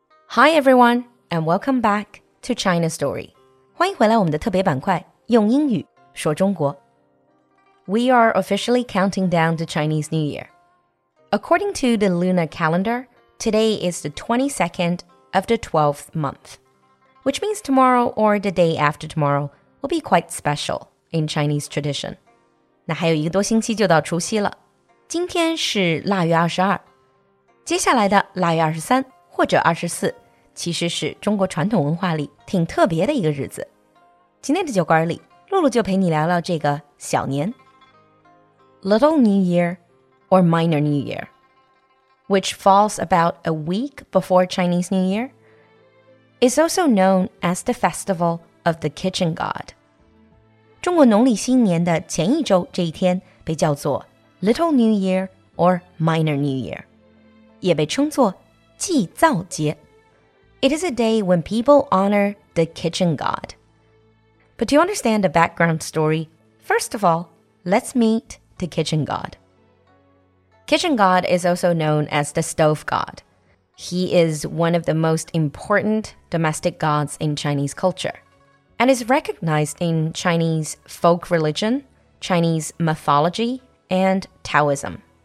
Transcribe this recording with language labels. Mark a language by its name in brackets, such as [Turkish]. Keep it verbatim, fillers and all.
[English] Hi everyone, and welcome back to China Story. [Chinese] 欢迎回来我们的特别板块，用英语说中国。 [English] We are officially counting down to Chinese New Year. According to the lunar calendar, today is the twenty-second of the twelfth month, which means tomorrow or the day after tomorrow will be quite special in Chinese tradition. [Chinese] 那还有一个多星期就到除夕了。今天是腊月二十二，接下来的腊月二十三或者二十四其实是中国传统文化里挺特别的一个日子。今天的酒馆里，露露就陪你聊聊这个小年。 [English] Little New Year or Minor New Year, which falls about a week before Chinese New Year, is also known as the Festival of the Kitchen God. [Chinese] 中国农历新年的前一周这一天被叫做 [English] Little New Year or Minor New Year, [Chinese] 也被称作祭灶节. [English] It is a day when people honor the kitchen god. But to understand the background story, first of all, let's meet the kitchen god. Kitchen god is also known as the stove god. He is one of the most important domestic gods in Chinese culture and is recognized in Chinese folk religion, Chinese mythology, and Taoism.